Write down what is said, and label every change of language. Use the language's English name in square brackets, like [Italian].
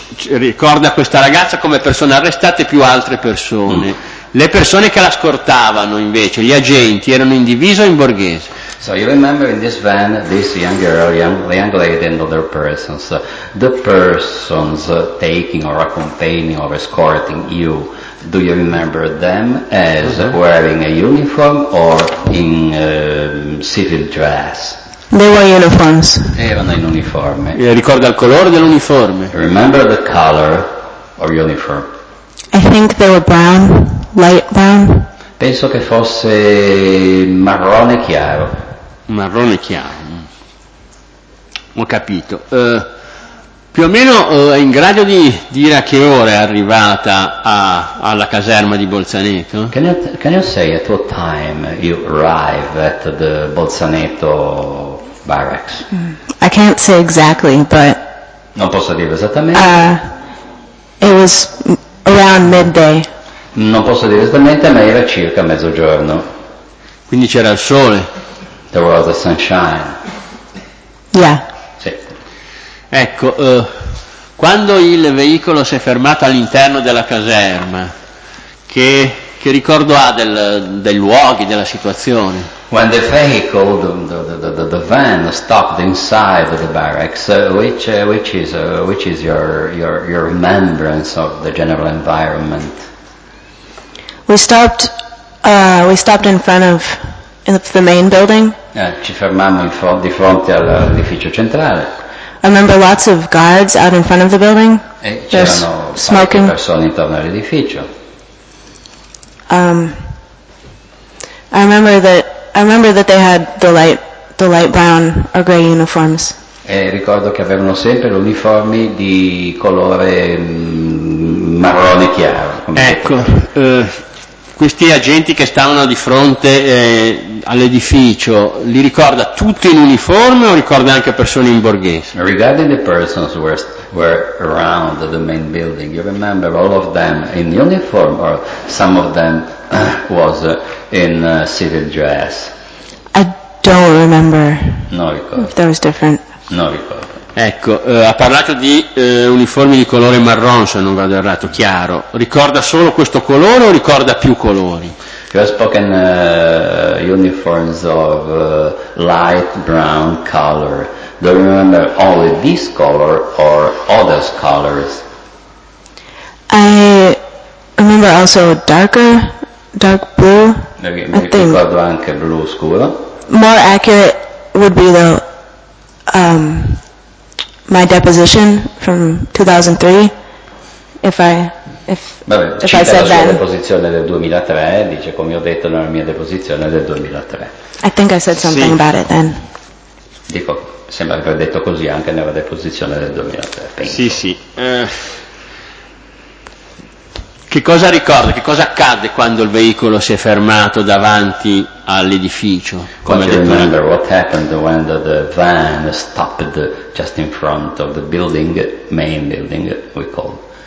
[Italian] Ricorda questa ragazza come persona arrestata e più altre persone. Mm. Le persone che la scortavano invece, gli agenti, erano in divisa o in borghese? [English] So you remember in this van, this young girl, young lady and other persons, the persons taking or accompanying or escorting you, do you remember them as wearing a uniform or in civil dress? They were uniforms. [Italian] Erano in uniforme. Ricorda il colore dell'uniforme? [English] Remember the color of uniform? I think they were brown. Light brown. [Italian] Penso che fosse marrone chiaro. Marrone chiaro. Ho capito. Più o meno è in grado di dire a che ora è arrivata alla caserma di Bolzaneto? Can you say at what time you arrive at the Bolzaneto barracks? [English] I can't say exactly, but [Italian] non posso dire esattamente. [English] It was around midday. [Italian] Non posso dire esattamente, ma era circa mezzogiorno. Quindi c'era il sole. [English] There was a sunshine. Yeah. [Italian] Sì. Ecco, quando il veicolo si è fermato all'interno della caserma, che ricordo ha dei luoghi, della situazione? [English] When the vehicle, the van stopped inside the barracks, which is your remembrance of the general environment? We stopped in front of the main building. [Italian] Ci fermammo di fronte all'edificio centrale. [English] I remember lots of guards out in front of the building. [Italian] C'erano parecchie persone intorno all'edificio. [English] I remember that they had the light brown or gray uniforms. [Italian] E ricordo che avevano sempre uniformi di colore marrone chiaro. Ecco, questi agenti che stavano di fronte all'edificio, li ricorda tutti in uniforme o ricorda anche persone in borghese? Regarding the persons who were around the main building, you remember all of them in uniform or some of them was in civil dress? [English] I don't remember. [Italian] Non ricordo. [English] If that was different. [Italian] Non ricordo. Ecco, ha parlato di uniformi di colore marrone, se non vado errato, chiaro. Ricorda solo questo colore o ricorda più colori? [English] You have spoken uniforms of light brown color. Do you remember only this color or other colors? I remember also dark blue. Okay, I think. [Italian] Ricordo anche blu scuro. [English] More accurate would be the my deposition from 2003, if I said then. [Italian] La deposizione del 2003, dice come ho detto nella mia deposizione del 2003. [English] I think I said something [Italian] sì. [English] About it then. [Italian] Dico, sembra aver detto così anche nella deposizione del 2003. Penso. Sì, sì. Che cosa ricorda? Che cosa accadde quando il veicolo si è fermato davanti all'edificio? [English] Come do you remember what happened when the van stopped just in front of the building, main building we called?